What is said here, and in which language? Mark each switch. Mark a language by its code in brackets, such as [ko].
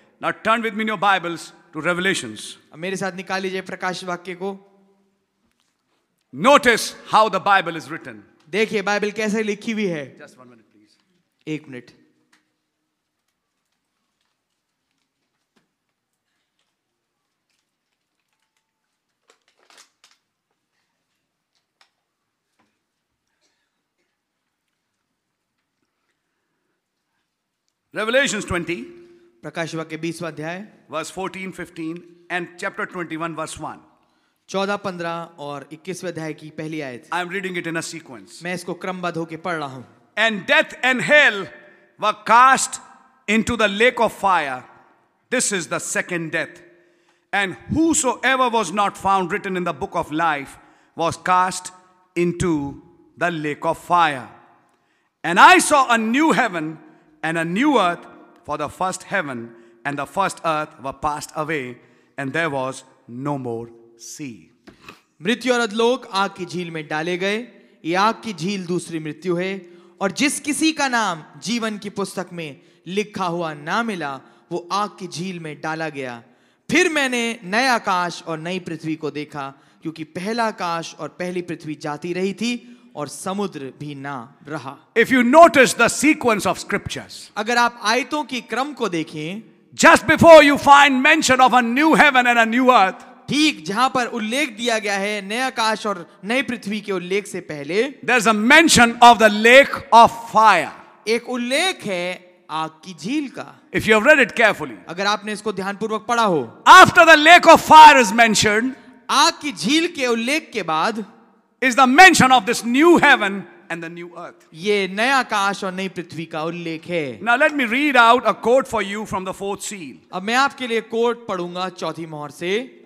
[en] Now turn with me in your Bibles to Revelations. [hi] मेरे साथ निकाल लीजिए प्रकाश वाक्य को. [en] Notice how the Bible is written. [hi] देखिए बाइबल कैसे लिखी हुई है. [en] Just one minute, please. [hi] एक मिनट. [en] Revelations 20. [hi] प्रकाश वाक्य 20वां अध्याय. [en] Verse 14, 15 and chapter 21 verse 1. [hi] 14-15 और 21वें अध्याय की पहली आयत. [en] I am reading it in a sequence. [hi] मैं इसको क्रमबद्ध होकर पढ़ रहा हूं. [en] And death and hell were cast into the lake of fire. This is the second death. And whosoever was not found written in the book of life was cast into the lake of fire. And I saw a new heaven and a new earth, for the first heaven and the first earth were passed away, and there was no more. [hi] मृत्यु और अधलोक आग की झील में डाले गए. ये आग की झील दूसरी मृत्यु है, और जिस किसी का नाम जीवन की पुस्तक में लिखा हुआ ना मिला वो आग की झील में डाला गया. फिर मैंने नया आकाश और नई पृथ्वी को देखा, क्योंकि पहला आकाश और पहली पृथ्वी जाती रही थी और समुद्र भी ना रहा. [en] If you notice the sequence of scriptures, [hi] अगर आप आयतों की क्रम को देखें, [en] just before you find mention of a new heaven and a new earth, [hi] ठीक जहां पर उल्लेख दिया गया है नया आकाश और नई पृथ्वी के उल्लेख से पहले, [en] there's a mention of the lake of fire. [hi] एक उल्लेख है आग की झील का. [en] If you have read it carefully, [hi] अगर आपने इसको ध्यानपूर्वक पढ़ा हो, [en] after the lake of fire is mentioned, [hi] आग की झील के उल्लेख के बाद, [en] is the mention of this new heaven and the new earth. [hi] ये नया आकाश और नई पृथ्वी का उल्लेख है. [en] Now let me read out a quote for you from the fourth seal. [hi] अब मैं आपके लिए कोट पढूंगा चौथी मोहर से.